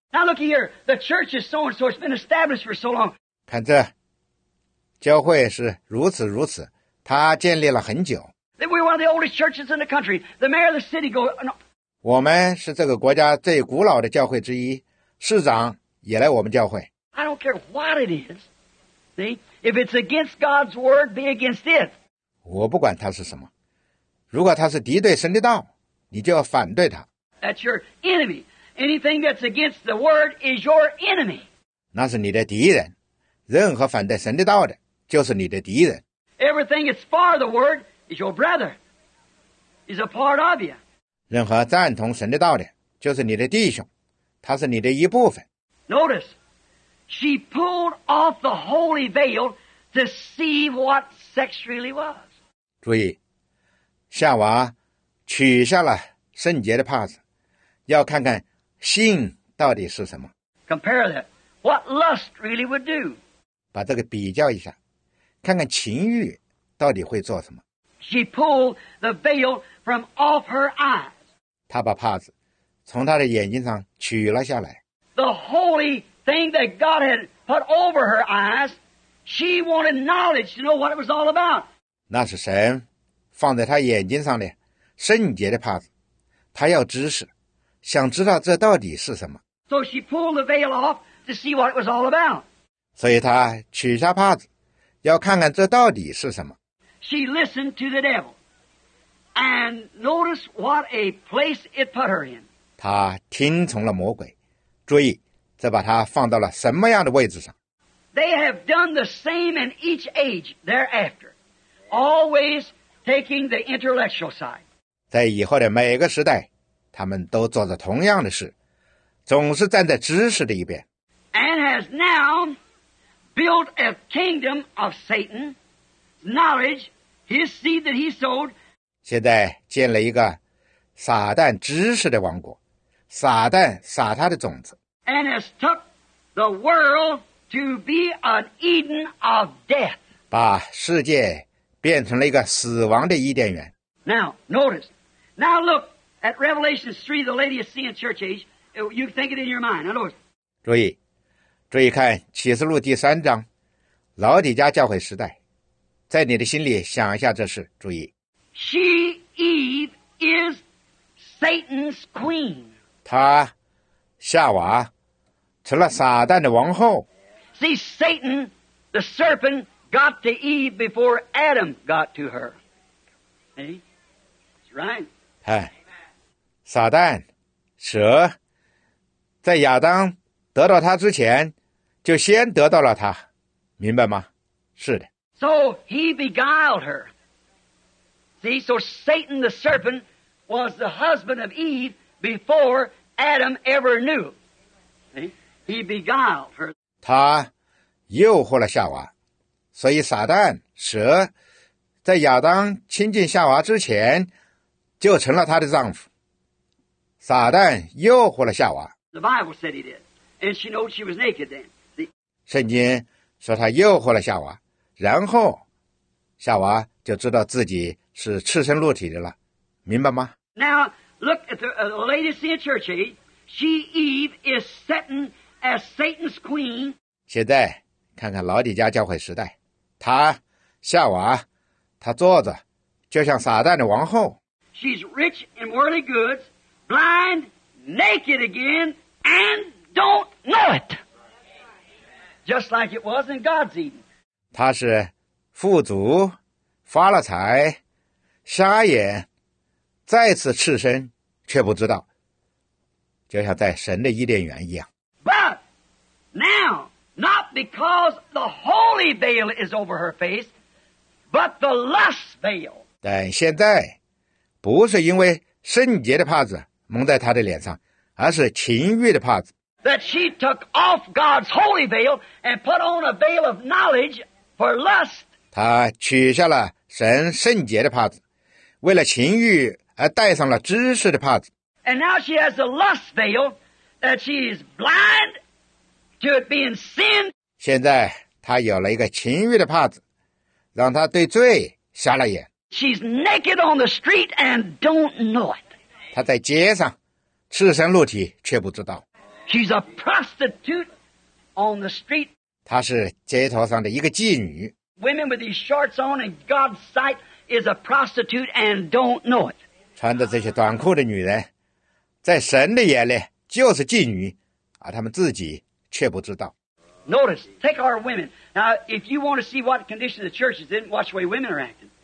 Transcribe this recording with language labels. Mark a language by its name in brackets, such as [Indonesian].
[English] Now look here, the church is so and so, it's been established for so long. [Chinese] 看这，教会是如此如此，他建立了很久。 [English] We're one of the oldest churches in the country. The mayor of the city goes, no. [Chinese] 我们是这个国家最古老的教会之一，市长也来我们教会。 [English] I don't care what it is. See, if it's against God's word, be against it. [Chinese] 我不管它是什么，如果它是敌对神的道，你就要反对它。 [English] That's your enemy. Anything that's against the word is your enemy. [Chinese] 那是你的敌人，任何反对神的道的，就是你的敌人。 [English] Everything that's for the word is your brother. Is a part of you. [Chinese] 任何赞同神的道的，就是你的弟兄，他是你的一部分。 [English] Notice, she pulled off the holy veil to see what sex really was. [Chinese] 注意，夏娃取下了圣洁的帕子，要看看性到底是什么。 [English] Compare that. What lust really would do? [Chinese] 把这个比较一下，看看情欲到底会做什么。 [English] She pulled the veil from off her eyes. [Chinese] 她把帕子从她的眼睛上取了下来。 [English] The holy thing that God had put over her eyes, she wanted knowledge to know what it was all about. [Chinese] 那是神放在她眼睛上的圣洁的帕子，她要知识，想知道这到底是什么。 [English] So she pulled the veil off to see what it was all about. [Chinese] 所以她取下帕子，要看看这到底是什么。 [English] She listened to the devil, and notice what a place it put her in. [Chinese] 她听从了魔鬼，注意，这把她放到了什么样的位置上。 [English] They have done the same in each age thereafter, always taking the intellectual side. [Chinese] 在以后的每个时代，他们都做着同样的事，总是站在知识的一边。 [English] And has now built a kingdom of Satan, knowledge, his seed that he sowed. [Chinese] 现在建了一个撒旦知识的王国，撒旦撒他的种子。 [English] And has took the world to be an Eden of death. [Chinese] 把世界变成了一个死亡的伊甸园。 [English] Now, notice. Now look at Revelation 3, the Laodicean church age. You think it in your mind. Now notice. [Chinese] 注意，注意看启示录第三章，老底家教会时代，在你的心里想一下这事。注意。 [English] She, Eve, is Satan's queen. [Chinese] 她，夏娃，成了撒旦的王后。 [English] See, Satan, the serpent,got to Eve before Adam got to her. Hey, that's right. [Chinese] 哎，撒旦，蛇，在亚当得到他之前，就先得到了他，明白吗？是的。 [English] So he beguiled her. See, so Satan the serpent was the husband of Eve before Adam ever knew. He beguiled her. [Chinese] 他诱惑了夏娃。所以撒旦蛇在亚当亲近夏娃之前就成了他的丈夫。撒旦诱惑了夏娃。 [English] The Bible said he did, and she knew she was naked then. [Chinese] 圣经说他诱惑了夏娃，然后夏娃就知道自己是赤身露体的了，明白吗？ [English] Now look at the latest in church age. She Eve is setting as Satan's queen. [Chinese] 现在看看老底家教会时代，她夏娃，她坐着就像撒旦的王后。 [English] She's rich in worldly goods, blind, naked again, and don't know it. Just like it was in God's Eden. [Chinese] 她是富足，发了财，瞎眼，再次赤身，却不知道，就像在神的伊甸园一样。 [English] But now. Not because the holy veil is over her face, but the lust veil. [Chinese] 但现在，不是因为圣洁的帕子蒙在她的脸上，而是情欲的帕子。 [English] That she took off God's holy veil and put on a veil of knowledge for lust. [Chinese] 她取下了神圣洁的帕子，为了情欲而戴上了知识的帕子。 [English] And now she has a lust veil that she is blind. To it being sin. [Chinese] 现在他有了一个情欲的帕子，让他对罪瞎了眼。 [English] She's naked on the street and don't know it. [Chinese] 他在街上赤身露体却不知道。 [English] She's a prostitute on the street. [Chinese] 他是街头上的一个妓女。 [English] Women with these shorts on in God's sight is a prostitute and don't know it. [Chinese] 穿着这些短裤的女人，在神的眼里就是妓女，而他们自己。却不知道。 [English] Notice, take our women. Now, if you want to see what condition the church is in, watch the way women are acting.